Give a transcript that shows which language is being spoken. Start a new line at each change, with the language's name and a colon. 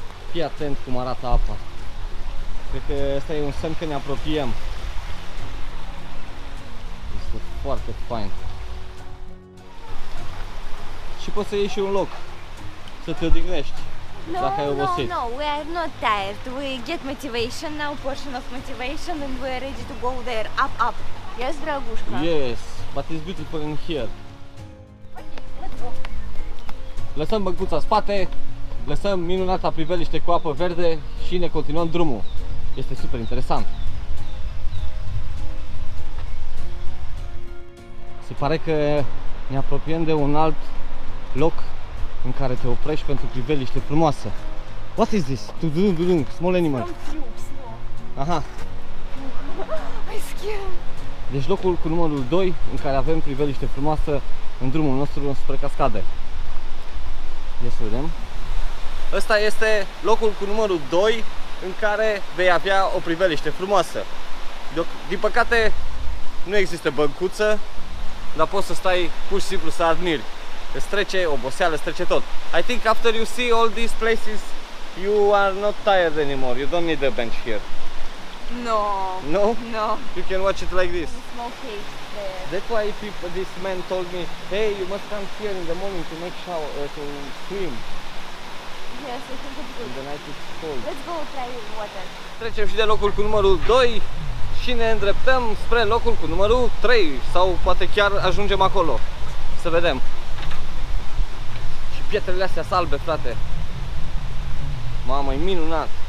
Romanian: Fii atent cum arată apa. Cred că ăsta e un semn că ne apropiem. Este foarte fain. Și poți să iei și un loc să te odihnești.
English: No, no, obosit. No, we are not tired. We get motivation now, portion of motivation, and we are ready to go there, up, up. Yes, Dragușca? Yes, but it's beautiful in here. Ok, let's go.
Romanian: Lăsăm băncuța spate, lăsăm minunata priveliște cu apă verde și ne continuăm drumul. Este super interesant. Se pare că ne apropiem de un alt loc în care te oprești pentru priveliște frumoasă.
English: What is this? Du-du-du-du-du, small animal. Aha. I'm scared.
Romanian: Deci locul cu numărul 2 în care avem priveliște frumoasă în drumul nostru spre cascade. Ia să vedem. Ăsta este locul cu numărul 2 în care vei avea o priveliște frumoasă. Din păcate nu există băncuță, dar poți să stai pur și simplu să admiri. Îți trece oboseală, îți trece tot.
English: I think after you see all these places, you are not tired anymore. You don't need a bench here. No. No? No. You can watch it like this. Smoke cage. That's why people, this man told me, hey, you must come here in the morning to make shower, to swim. Yes, I think it's good. In the night it's cold. Let's go try water.
Romanian: Trecem și de locul cu numărul 2 și ne îndreptăm spre locul cu numărul 3 sau poate chiar ajungem acolo. Să vedem. Și pietrele astea albe, frate. Mamă, e minunat.